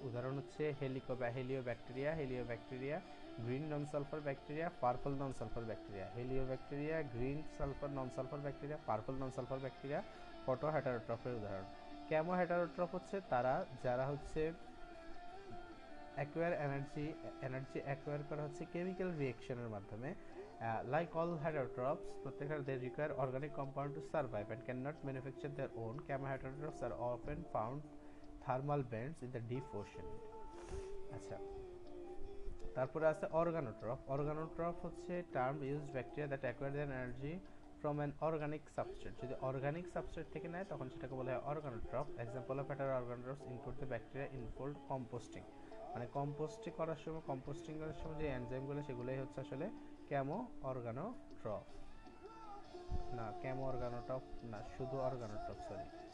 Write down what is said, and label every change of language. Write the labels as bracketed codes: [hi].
[bn] উদাহরণ হচ্ছে Helio bacteria, green নন sulphur bacteria, ফারফাল নন sulphur bacteria. Helio bacteria, green sulphur নন sulphur bacteria, ফারফাল নন sulphur bacteria photo হেটারোট্রফের উদাহরণ। Camo হেটারোট্রফ হচ্ছে তারা যারা হচ্ছে অ্যাকোয়ার এনার্জি অ্যাকোয়ার করা হচ্ছে কেমিক্যাল রিয়েকশনের মাধ্যমে, [en] Like all heterotrophs, they require organic compound to survive and cannot manufacture their own. Chemoheterotrophs are often found thermal vents in the deep ocean. [bn] আচ্ছা, তারপরে আছে অর্গানোট্রফ। [en] Organotroph হচ্ছে term use bacteria that acquire than energy from an organic substrate. [bn] যদি organic substrate থেকে নেয় তখন সেটাকে বলা হয় অর্গানোট্রফ। [en] example of এটার organotrophs include the bacteria involved composting, [bn] মানে কম্পোস্টিং করার সময় যে এনজাইমগুলো সেগুলোই হচ্ছে আসলে ক্যামো অর্গানোট্রফ, না ক্যামো অর্গানোট্রফ না, শুধু অর্গানোট্রফ, সরি।